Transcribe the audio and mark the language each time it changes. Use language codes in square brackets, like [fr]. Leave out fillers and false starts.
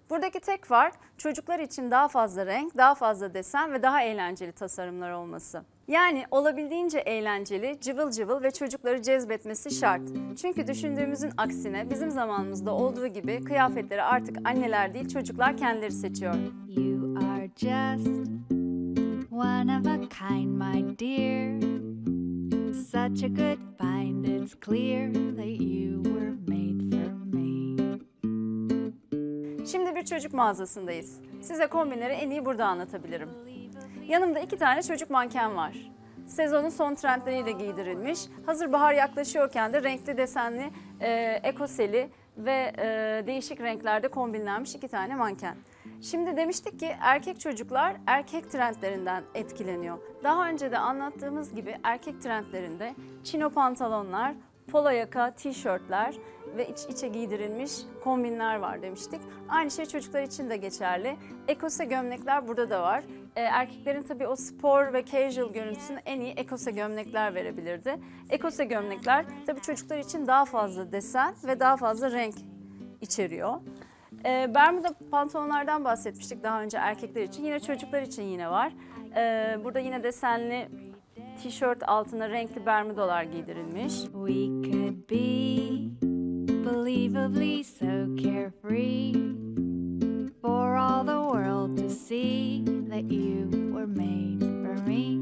[tr] Buradaki tek fark çocuklar için daha fazla renk, daha fazla desen ve daha eğlenceli tasarımlar olması. Yani olabildiğince eğlenceli, cıvıl cıvıl ve çocukları cezbetmesi şart. Çünkü düşündüğümüzün aksine bizim zamanımızda olduğu gibi kıyafetleri artık anneler değil çocuklar kendileri seçiyor. [en] You are just one of a kind my dear. Such a good find, it's clear that you were made for me. [tr] Şimdi bir çocuk mağazasındayız. Size kombinleri en iyi burada anlatabilirim. Yanımda iki tane çocuk manken var. Sezonun son trendleriyle giydirilmiş. Hazır bahar yaklaşıyorken de renkli desenli ekoseli ve değişik renklerde kombinlenmiş iki tane manken. Şimdi demiştik ki erkek çocuklar erkek trendlerinden etkileniyor. Daha önce de anlattığımız gibi erkek trendlerinde çino pantolonlar, polo yaka, tişörtler ve iç içe giydirilmiş kombinler var demiştik. Aynı şey çocuklar için de geçerli. Ekose gömlekler burada da var. Erkeklerin tabii o spor ve casual görüntüsünü en iyi ekose gömlekler verebilirdi. Ekose gömlekler tabii çocuklar için daha fazla desen ve daha fazla renk içeriyor. Bermuda pantolonlardan bahsetmiştik daha önce erkekler için. Yine çocuklar için yine var. Burada yine desenli tişört altına renkli bermudalar giydirilmiş. [en] We could be believably so carefree for all the world to see that you were made for me.